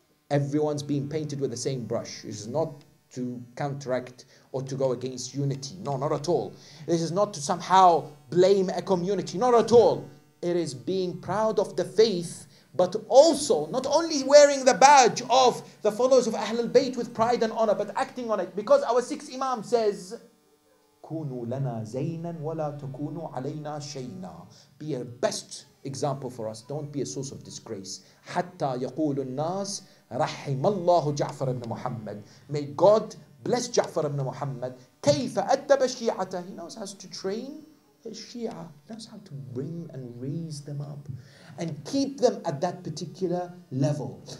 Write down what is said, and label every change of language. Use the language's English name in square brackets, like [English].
[English] Everyone's being painted with the same brush. It's not to counteract or to go against unity. No, not at all. This is not to somehow blame a community. Not at all. It is being proud of the faith, but also not only wearing the badge of the followers of Ahlul Bayt with pride and honor, but acting on it. Because our sixth Imam says, [Arabic] كُونُوا لَنَا زَيْنًا وَلَا تَكُونُوا عَلَيْنَا شَيْنًا. [English] Be a best example for us. Don't be a source of disgrace. [Arabic] حَتَّى يَقُولُ النَّاسِ رَحِمَ اللَّهُ جَعْفَرَ ابْنَ مُحَمَّدٍ. [English] May God bless Ja'far ibn Muhammad. [Arabic] كَيْفَ أَدَّبَ شِيَعَةً. [English] He knows how to train his Shia. He knows how to bring and raise them up and keep them at that particular level.